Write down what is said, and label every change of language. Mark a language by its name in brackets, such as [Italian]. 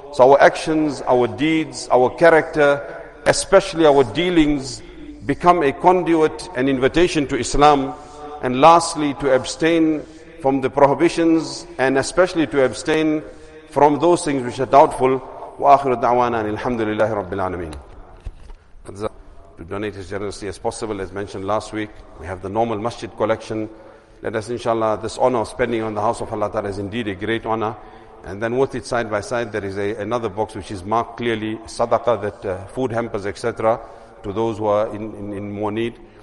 [English] So our actions, our deeds, our character, especially our dealings, become a conduit and invitation to Islam. And lastly, to abstain from the prohibitions, and especially to abstain from those things which are doubtful. [Arabic] وآخر دعوانا أن الحمد لله رب العالمين. [English] To donate as generously as possible, as mentioned last week, we have the normal masjid collection. Let us, inshallah, this honor of spending on the house of Allah Ta'ala is indeed a great honor. And then with it, side by side, there is another box which is marked clearly, sadaqah, that food hampers, etc., to those who are in more need.